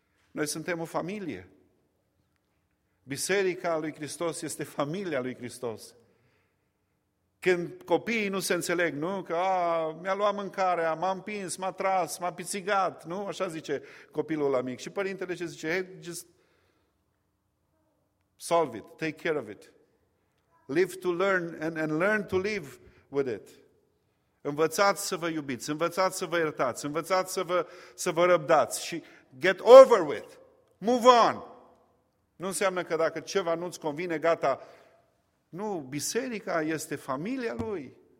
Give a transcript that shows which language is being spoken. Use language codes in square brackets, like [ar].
[ro] Noi suntem o familie. Biserica lui Hristos este familia lui Hristos. Când copiii nu se înțeleg, nu? Că mi-a luat mâncarea, m-a împins, m-a tras, m-a pițigat, nu? Așa zice copilul ăla mic. Și părintele ce zice? [en] Hey, just solve it, take care of it. Live to learn and learn to live with it. [ro] Învățați să vă iubiți, învățați să vă iertați, învățați să vă răbdați și [en] get over with, move on. [ro] Nu înseamnă că dacă ceva nu-ți convine, gata. Nu, biserica este familia lui.